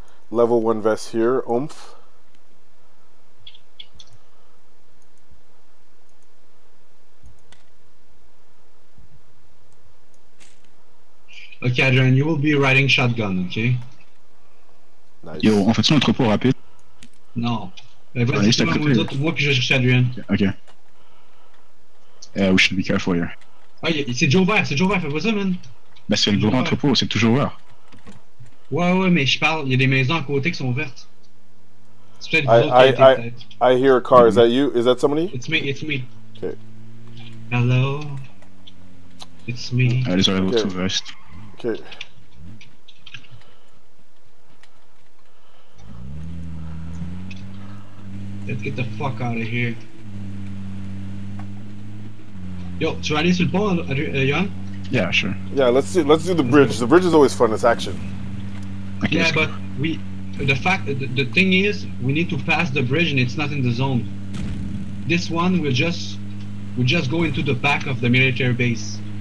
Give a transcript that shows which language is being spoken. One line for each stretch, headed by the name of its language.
English: Level 1 vest here, oomph. Okay, Adrian, you will be riding shotgun, okay?
French: Nice. Yo, on fait-tu un entrepôt rapide?
English: No.
French: Vas-y, tu vas me voir que je cherche Adrian.
English: Okay. We should be careful here.
French: Ah, c'est Joe Vert, fais pas ça, man. Bah, c'est le gros entrepôt, c'est toujours ouvert. Ouais, mais je parle, il y a des maisons à côté qui sont vertes.
English: C'est peut-être I hear a car, is that you? Is that somebody? It's me. Okay. Hello? It's me.
French: Allez, on va tout vest.
English: Okay. Let's get the fuck out of here.
French: Yo, tu vas aller sur le pont, Adrian?
English: Yeah, sure. Yeah, let's do the bridge. The bridge is always fun, it's action. Okay, yeah, but the thing is, we need to pass the bridge and it's not in the zone. This one, we'll just go into the back of the military base.